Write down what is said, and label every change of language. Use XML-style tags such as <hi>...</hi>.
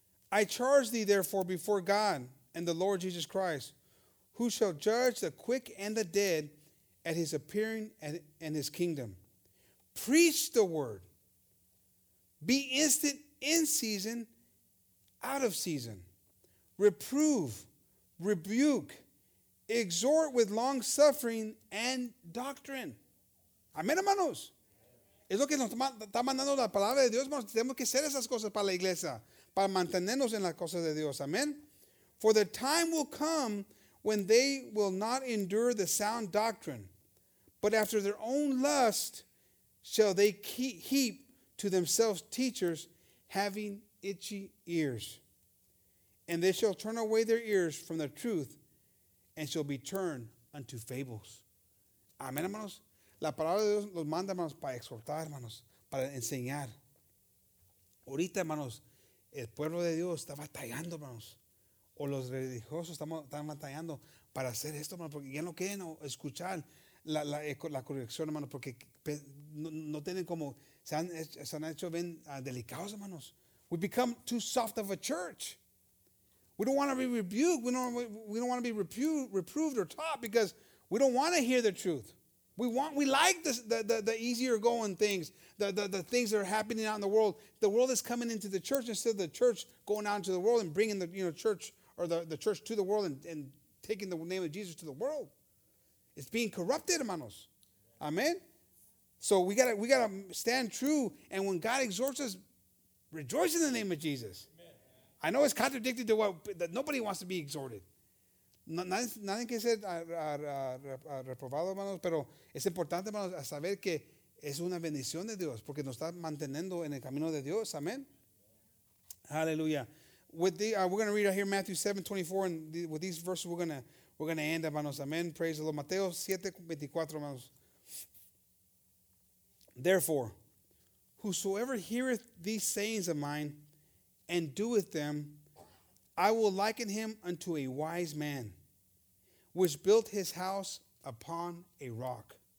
<en>I charge thee therefore before God and the Lord Jesus Christ, who shall judge the quick and the dead at his appearing and his kingdom. Preach the word. Be instant in season, out of season. Reprove, rebuke, exhort with long suffering and doctrine.</en> <es>Amén, hermanos. Es lo que nos está mandando la palabra de Dios, hermanos. Tenemos que hacer esas cosas para la iglesia, para mantenernos en las cosas de Dios. Amén.</es> <en>For the time will come when they will not endure the sound doctrine, but after their own lust shall they heap to themselves teachers having itchy ears. And they shall turn away their ears from the truth and shall be turned unto fables.</en> <es>Amén, hermanos. La palabra de Dios los manda, hermanos, para exhortar, hermanos, para enseñar. Ahorita, hermanos, el pueblo de Dios está batallando, hermanos. O los religiosos están batallando para hacer esto, hermanos, porque ya no quieren escuchar la corrección, hermanos, porque no tienen como, se han hecho bien delicados, hermanos.</es> <en>We become too soft of a church. We don't want to be rebuked. We don't want to be reproved or taught because we don't want to hear the truth. We like the easier going things, the things that are happening out in the world. The world is coming into the church instead of the church going out into the world and bringing the church or the church to the world and taking the name of Jesus to the world. It's being corrupted, hermanos. Amen. So we gotta stand true. And when God exhorts us, rejoice in the name of Jesus. I know it's contradicted to what that nobody wants to be exhorted.</en> <es>Nadie que ser reprobado, hermanos, pero es importante, hermanos, saber que es una bendición de Dios porque nos está manteniendo en el camino de Dios. Amén.</es> <en>Hallelujah. With the we're going to read out here Matthew 7:24, and with these verses we're going to end, hermanos. Amen. Praise the Lord.</en> <es>Mateo 7:24, hermanos.</es> <en>Therefore, whosoever heareth these sayings of mine and doeth them, I will liken him unto a wise man which built his house upon a rock.</en>